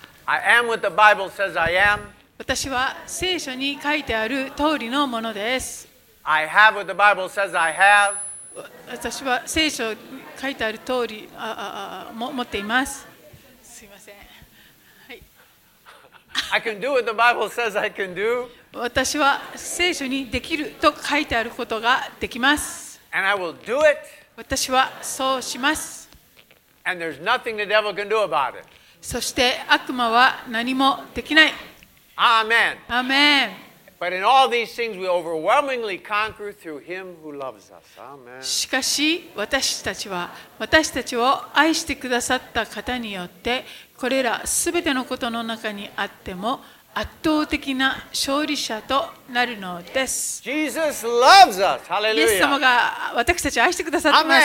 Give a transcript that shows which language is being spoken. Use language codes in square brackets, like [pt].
[en] I am what the Bible says I am. [ja] 私は聖書に書いてある通りのものです。 [en] I have what the Bible says I have. [ja] 私は聖書に書いてある通り持っています。すいません。 [en] はい。I can do what the Bible says I can do. [ja] 私は聖書にできると書いてあることができます。 [en] And I will do it. [ja] 私はそうします。 [en] And there's nothing the devil can do about it. [ja] そして悪魔は何もできない。 [en] Amen. Amen. But in all these things, we overwhelmingly conquer through Him who loves us. Amen. [ja] しかし私たちは私たちを愛してくださった方によってこれらすべてのことの中にあっても圧倒的な勝利者となるのです。 [en] Jesus loves us. Hallelujah. [ja] イエス様が私たちを愛してくださっています。